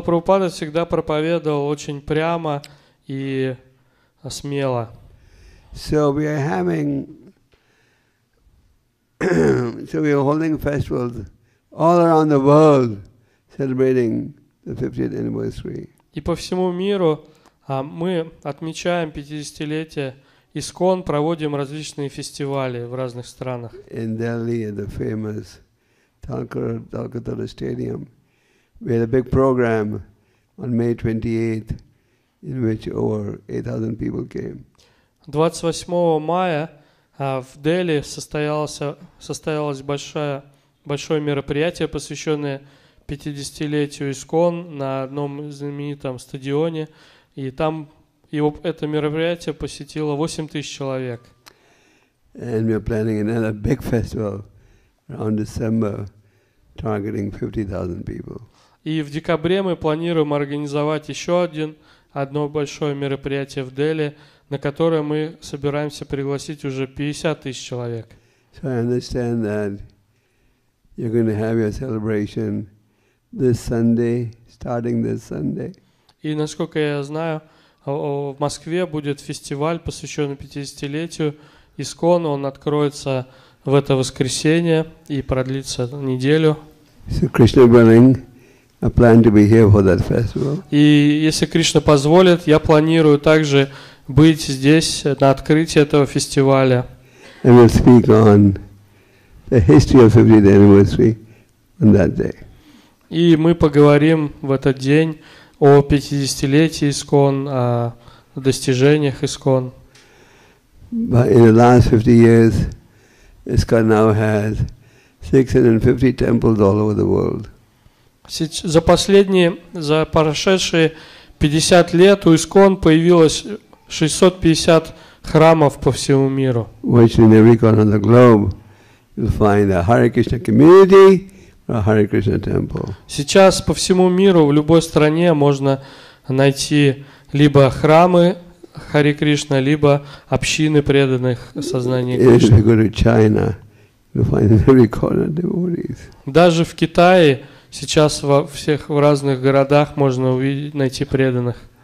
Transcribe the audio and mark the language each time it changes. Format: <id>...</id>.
<ru>Прабхупада всегда проповедовал очень прямо и смело.</ru> <en>So we are holding festivals all around the world celebrating the 50th anniversary.</en> <ru>И по всему миру мы отмечаем 50-летие ИСКОН, проводим различные фестивали в разных странах.</ru> <en>In Delhi at the famous Talcottara Stadium, we had a big program on May 28th in which over 8,000 people came.</en> <ru>28 мая в Дели состоялось большое мероприятие, посвященное 50-летию ИСКОН на одном знаменитом стадионе. И там его, это мероприятие посетило 8 тысяч человек.</ru> <en>And we're planning another big festival around December, targeting 50,000 people.</en> <ru>И в декабре мы планируем организовать еще одно большое мероприятие в Дели, на которое мы собираемся пригласить уже 50 тысяч человек.</ru> <en>So I understand that you're going to have your celebration this Sunday, starting this Sunday.</en> <ru>И насколько я знаю, в Москве будет фестиваль, посвященный 50-летию ИСКОН. Он откроется в это воскресенье и продлится неделю.</ru> <en>So Krishna willing, I plan to be here for that festival.</en> <ru>И если Кришна позволит, я планирую также быть здесь на открытии этого фестиваля.</ru> <en>And we'll speak on the history of 50th anniversary on that day.</en> <ru>И мы поговорим в этот день о 50-летии ИСКОН, о достижениях ИСКОН.</ru> <en>But in the last 50 years, ISKCON now has 650 temples all over the world.</en> <ru>За прошедшие 50 лет у ИСКОН появилось 650 храмов по всему миру.</ru> <en>Which in every corner of the globe you'll find a Hare Krishna community or a Hare Krishna temple.</en> <ru>Сейчас по всему миру в любой стране можно найти либо храмы Hare Krishna, либо общины преданных сознания Кришны.</ru> <en>If you go to China, you'll find in every corner devotees.</en> <ru>Даже в Китае Сейчас во всех в разных городах можно увидеть, найти преданных.</ru>